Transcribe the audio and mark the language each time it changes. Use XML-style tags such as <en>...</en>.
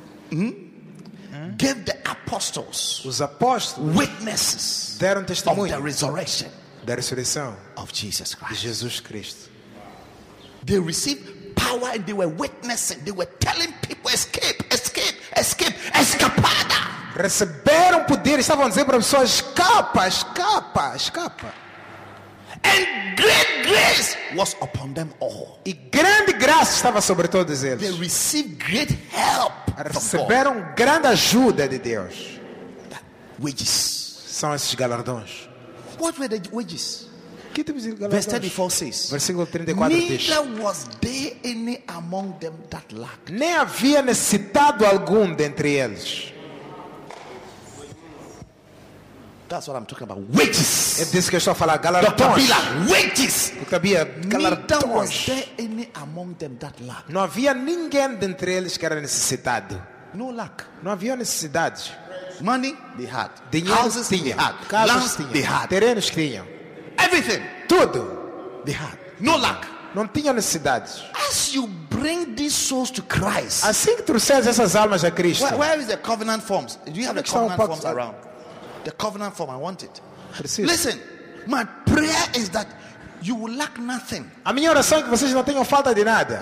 <en>gave the apostles,</en> <pt>os apóstolos,</pt> <en>witnesses,</en> <pt>deram testemunho,</pt> <en>of the resurrection,</en> <pt>da ressurreição,</pt> <en>of Jesus Christ,</en> <pt>de Jesus Cristo.</pt> <en>They received power and they were witnessing. They were telling people, escape, escape, escape, escapada.</en> <pt>Receberam poder e estavam dizendo para as pessoas, escapa, escapa, escapa.</pt> <en>And great grace was upon them all.</en> <pt>E grande graça estava sobre todos eles.</pt> <en>They received great help.</en> <pt>Receberam grande ajuda de Deus.</pt> <en>Wages.</en> <pt>São esses galardões.</pt> <en>What were the wages?</en> <pt>Que tipo de galardões?</pt> <en>Verse 34 says.</en> <pt>Versículo 34</pt> <en>neither</en> <pt>diz.</pt> <en>Neither was there any among them that lacked.</en> <pt>Nem havia necessitado algum dentre eles.</pt> <en>That's what I'm talking about. Wages.</en> <pt>É disso que eu estou a falar. Galardões.</pt> <en>Dr. Bila, wages.</en> <pt>Galardões.</pt> <en>Neither was there any among them that lacked.</en> <pt>Não havia ninguém dentre eles que era necessitado.</pt> <en>No lack.</en> <pt>Não havia necessidade.</pt> <en>Money they had.</en> <pt>Dinheiro</pt> <en>houses</en> <pt>tinha.</pt> <en>They had.</en> <pt>Casas</pt> <en>lands</en> <pt>tinha.</pt> <en>They had.</en> <pt>Terrenos tinham.</pt> <en>Everything.</en> <pt>Tudo.</pt> <en>They had. No lack.</en> <pt>Não tinha necessidade.</pt> <en>As you bring these souls to Christ.</en> <pt>Assim que trouxeres essas almas a Cristo.</pt> <en>Where is the covenant forms? Do you have the covenant forms around? The covenant form, I want it.</en> <pt>Preciso.</pt> <en>Listen, my prayer is that you will lack nothing.</en> <pt>A minha oração é que vocês não tenham falta de nada.</pt>